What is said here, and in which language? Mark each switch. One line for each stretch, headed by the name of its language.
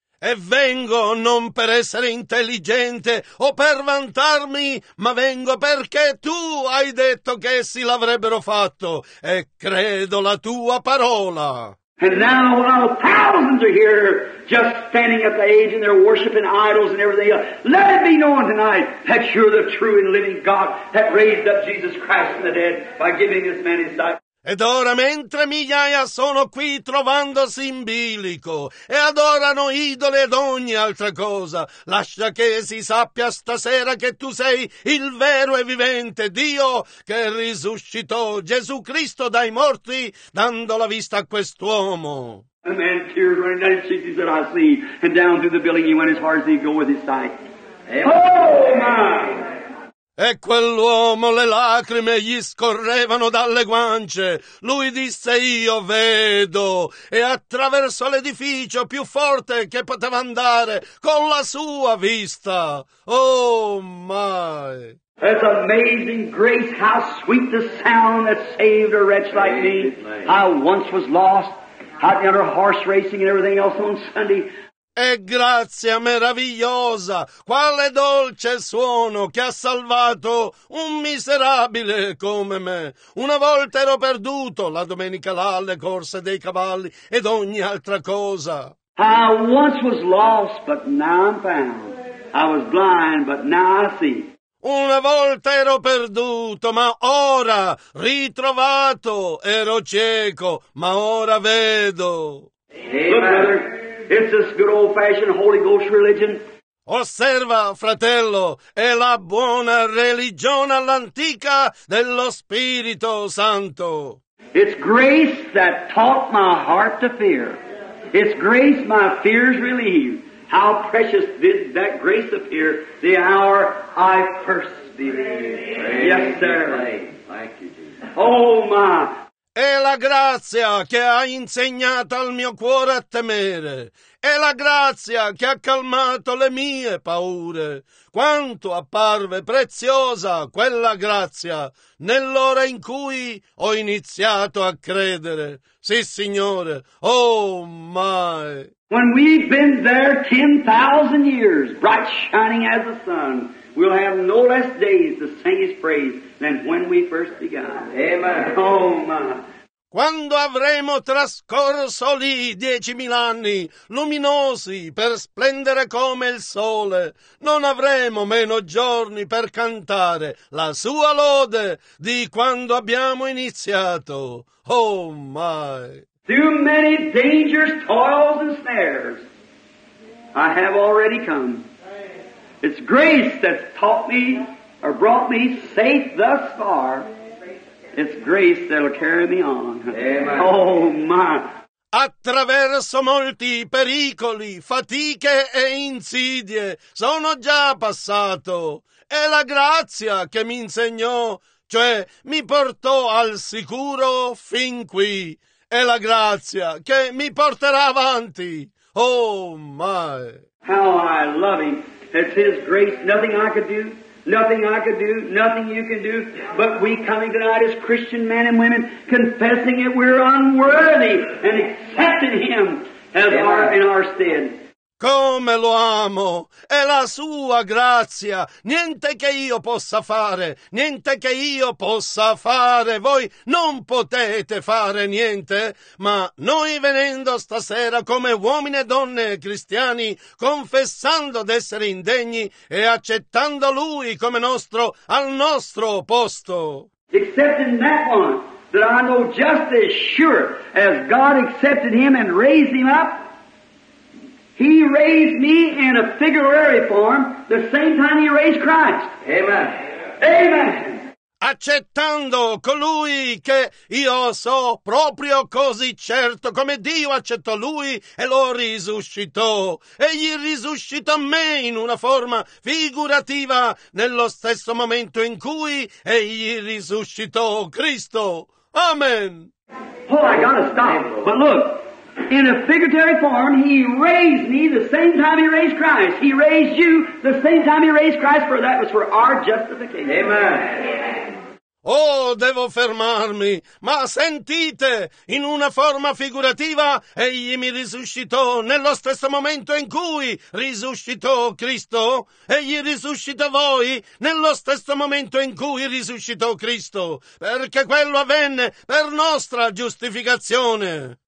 Italian: E vengo non per essere intelligente o per vantarmi, ma vengo perché tu hai detto che essi l'avrebbero fatto, e credo la tua parola.
English: And now while thousands are here just standing at the age and they're worshiping idols and everything else, let it be known tonight that you're the true and living God that raised up Jesus Christ from the dead by giving this man his life.
Italian: Ed ora, mentre migliaia sono qui trovandosi in bilico e adorano idoli ed ogni altra cosa, lascia che si sappia stasera che tu sei il vero e vivente Dio che risuscitò Gesù Cristo dai morti, dando la vista a quest'uomo.
English: A man tears running down his cheeks, he said, I see. And down through the building he went as hard as he could go with his sight. Oh, my!
Italian: E quell'uomo le lacrime gli scorrevano dalle guance. Lui disse, io vedo. E attraverso l'edificio più forte che poteva andare con la sua vista.
English: Oh, my! That's amazing grace, how sweet the sound that saved a wretch like me. I once was lost, hot under horse racing and everything else on Sunday.
Italian: E grazia meravigliosa, quale dolce suono che ha salvato un miserabile come me. Una volta ero perduto, la domenica là, alle corse dei cavalli ed ogni altra cosa. I once was lost, but now I'm found. I was blind, but now I see. Una volta ero perduto, ma ora ritrovato. Ero cieco, ma ora vedo.
English: Amen. It's this good old-fashioned Holy Ghost religion.
Italian: Osserva, fratello, è la buona religione all'antica dello Spirito Santo.
English: It's grace that taught my heart to fear. It's grace my fears relieved. How precious did that grace appear the hour I first believed. Yes, sir. Thank you, Jesus. Oh, my.
Italian: È la grazia che ha insegnato al mio cuore a temere. È la grazia che ha calmato le mie paure. Quanto apparve preziosa quella grazia nell'ora in cui ho iniziato a credere. Sì, Signore,
English: oh my! When we've been there 10,000 years, bright shining as the sun, we'll have no less days to sing his praise than when we first began. Amen. Oh my!
Italian: Quando avremo trascorso lì 10,000 anni, luminosi per splendere come il sole, non avremo meno giorni per cantare la sua lode di quando abbiamo iniziato.
English: Oh my! Through many dangers, toils and snares, I have already come. It's grace that's taught me or brought me safe thus far. It's grace that'll carry me on. Amen. Oh, my.
Italian: Attraverso molti pericoli, fatiche e insidie, sono già passato. È la grazia che mi insegnò, cioè mi portò al sicuro fin qui. È la grazia che mi porterà avanti.
English: Oh, my. How I love him. It's his grace, nothing I could do. Nothing I could do, nothing you can do, but we coming tonight as Christian men and women, confessing it, we're unworthy, and accepting him as our, in our stead.
Italian: Come lo amo, è la sua grazia, niente che io possa fare, niente che io possa fare, voi non potete fare niente, ma noi venendo stasera come uomini e donne cristiani, confessando d'essere indegni e accettando lui come nostro, al nostro posto.
English: Accepting that one, that I know just as sure as God accepted him and raised him up, he raised me in a figurary form the same time he raised Christ. Amen. Amen.
Italian: accettando colui che io so proprio così certo come Dio accettò lui e lo risuscitò. Egli risuscitò me in una forma figurativa nello stesso momento in cui egli risuscitò Cristo.
English: Amen. Oh, I gotta stop. But look, in a figurative form, he raised me the same time he raised Christ. He raised you the same time he raised Christ, for that was for our justification. Amen.
Italian: Oh, devo fermarmi, ma sentite, in una forma figurativa, egli mi risuscitò nello stesso momento in cui risuscitò Cristo. Egli risuscita voi nello stesso momento in cui risuscitò Cristo, perché quello avvenne per nostra giustificazione.